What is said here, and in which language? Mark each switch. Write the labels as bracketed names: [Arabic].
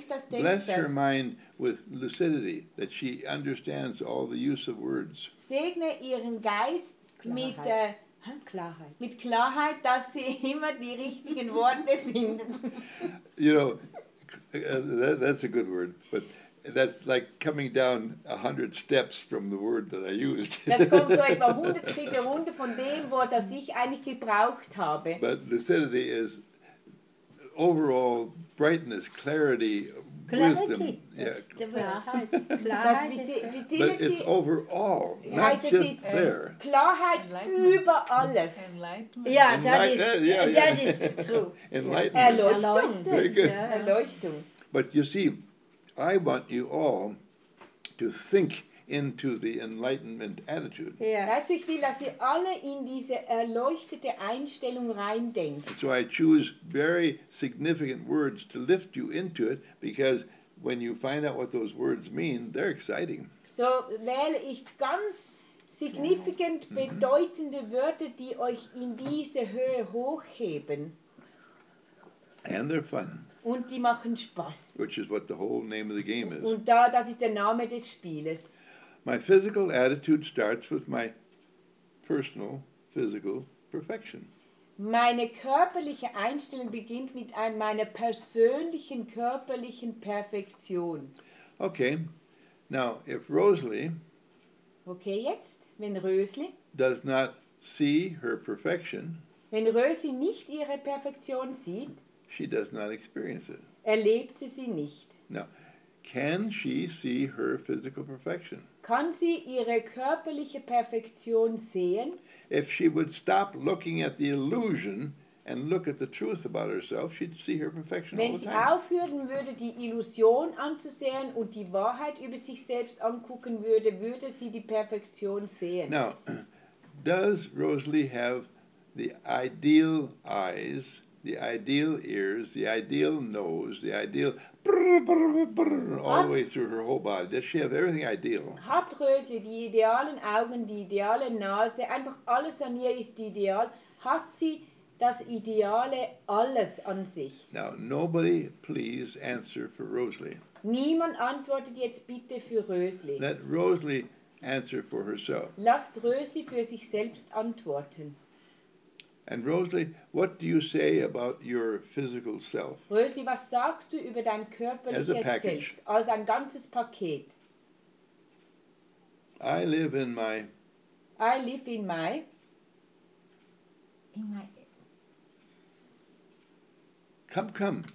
[English] Bless her mind with lucidity, that she understands all the use of words. [German] Segne ihren Geist mit Klarheit, dass sie immer die richtigen Worte finden. [English] You know, that's a good word, but that's like coming down 100 steps from the word that I used. [German] Das kommt so etwa 100 Schritte runter von dem Wort, das ich eigentlich gebraucht habe. [English] But lucidity is overall brightness, clarity, Clarity. Wisdom. Yeah. [German] Klarheit. [English] But it's overall, not just there. [German] Klarheit über alles. [English] Enlightenment. Yeah, that is true. Enlightenment. [German] Erleuchtung. [English] Very good. [German] Erleuchtung. [English] But you see, I want you all to think into the enlightenment attitude. [German] Weißt du, ich will, dass ihr alle in diese erleuchtete Einstellung reindenkt. [English] So I choose very significant words to lift you into it, because when you find out what those words mean, they're exciting. [German] So wähle ich ganz signifikant bedeutende Wörter, die euch in diese Höhe hochheben. [English] And they're fun. [German] Und die machen Spaß. [English] Which is what the whole name of the game is. [German] Und das ist der Name des Spieles. [English] My physical attitude starts with my personal physical perfection. [German] Meine körperliche Einstellung beginnt mit meiner persönlichen körperlichen Perfektion. [English] Okay, now if Rosalie [German] okay, jetzt, wenn Rösli [English] does not see her perfection, [German] wenn Rösli nicht ihre Perfektion sieht, [English] she does not experience it. [German] Erlebt sie sie nicht. [English] Now, can she see her physical perfection? [German] Kann sie ihre körperliche Perfektion sehen? [English] If she would stop looking at the illusion and look at the truth about herself, she'd see her perfection [German] Wenn [English] all the time. [German] Wenn sie aufhören würde, die Illusion anzusehen und die Wahrheit über sich selbst angucken würde, würde sie die Perfektion sehen. [English] Now, does Rosalie have the ideal eyes, the ideal ears, the ideal nose, the ideal all the way through her whole body? Does she have everything ideal? [German] Hat Rösli die idealen Augen, die ideale Nase, einfach alles an ihr ist ideal? Hat sie das ideale alles an sich? [English] Now, nobody please answer for Rosalie. [German] Niemand antwortet jetzt bitte für Rösli. [English] Let Rosalie answer for herself. [German] Lasst Rösli für sich selbst antworten. [English] And Rosalie, what do you say about your physical self? [German] Rosalie, was sagst du über dein körperliches Selbst? Als ein ganzes Paket. [English] I live in my. Come.